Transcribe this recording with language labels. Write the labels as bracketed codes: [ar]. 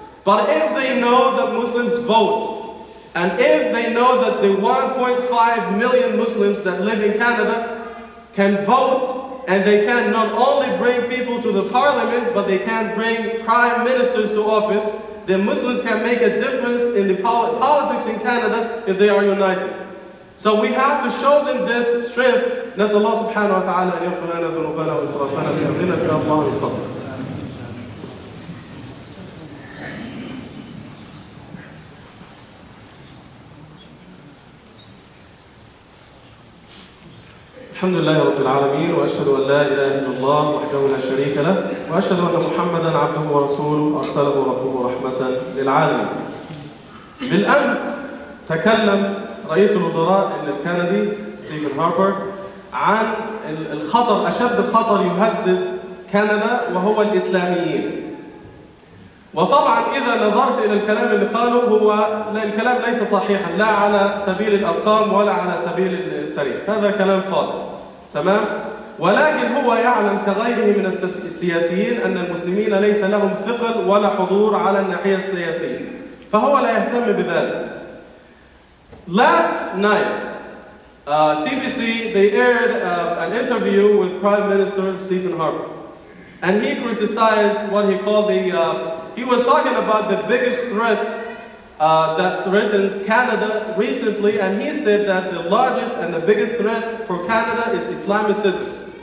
[en] But if they know that Muslims vote, and if they know that the 1.5 million Muslims that live in Canada can vote, and they can not only bring people to the parliament, but they can bring prime ministers to office, then Muslims can make a difference in the politics in Canada if they are united. So we have to show them this strength. [ar] نسأل الله سبحانه وتعالى أن يغفر لنا ذنوبنا وإسرافنا في أمرنا سأل الله بالفضل. الحمد لله رب العالمين وأشهد أن لا إله إلا الله وحده لا شريك له وأشهد أن محمدا عبده ورسوله أرسله ربه رحمة للعالمين. بالأمس تكلم رئيس الوزراء الكندي ستيفن هاربر عن الخطر أشد خطر يهدد كندا وهو الإسلاميين. وطبعا إذا نظرت إلى الكلام اللي قاله هو الكلام ليس صحيحا لا على سبيل الأرقام ولا على سبيل التاريخ، هذا كلام فاضي تمام، ولكن هو يعلم كغيره من السياسيين أن المسلمين ليس لهم ثقل ولا حضور على الناحية السياسية، فهو لا يهتم بذلك. [en] Last night, CBC they aired an interview with Prime Minister Stephen Harper, and he criticized what he called the he was talking about the biggest threat that threatens Canada recently, and he said that the largest and the biggest threat for Canada is Islamicism.